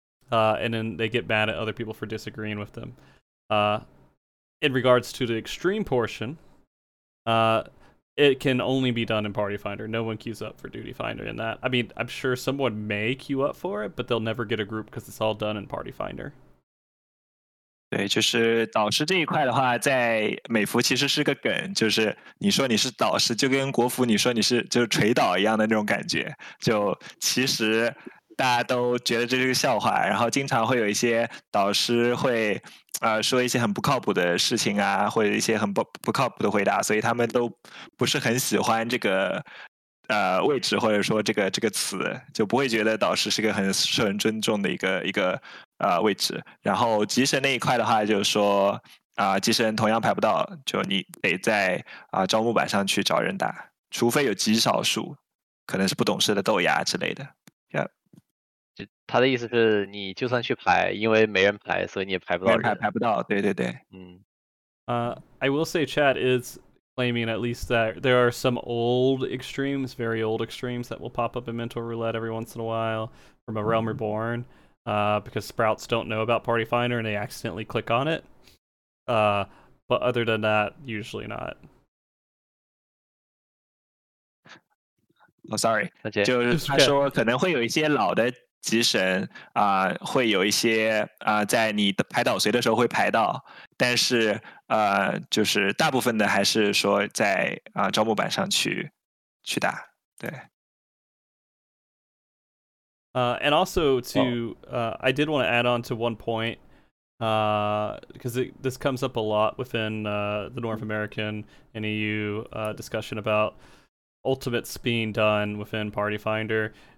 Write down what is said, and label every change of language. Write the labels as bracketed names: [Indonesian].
[English] And then they get mad at other people for disagreeing with them. In regards to the extreme portion, it can only be done in Party Finder. No one queues up for Duty Finder in that. I mean, I'm sure someone may queue up for it, but they'll never get a group because it's all done in Party Finder. [Chinese] 对，就是导师这一块的话，在美服其实是个梗，就是你说你是导师，就跟国服你说你是就是锤导一样的那种感觉。就其实大家都觉得这是个笑话，然后经常会有一些导师会说一些很不靠谱的事情啊，或者一些很不靠谱的回答，所以他们都不是很喜欢这个位置或者说这个词，就不会觉得导师是个很受人尊重的一个位置。然后集神那一块的话，就是说集神同样排不到，就你得在招募板上去找人打，除非有极少数可能是不懂事的豆芽之类的。他的意思是你就算去排，因为没人排，所以你也排不到人。排不到，对对对。 [English] I will say chat is claiming at least that there are some old extremes, very old extremes that will pop up in Mental Roulette every once in a while from a Realm Reborn, because Sprouts don't know about Party Finder and they accidentally click on it. But other than that, usually not. Sorry. Okay. [Chinese] 就是他说可能会有一些老的集神会有一些在你排导随的时候会排到，但是就是大部分的还是说在招募板上去打。对。 [English] And also to I did want to add on to one point, because this comes up a lot within the North American and EU discussion about ultimates being done within Party Finder.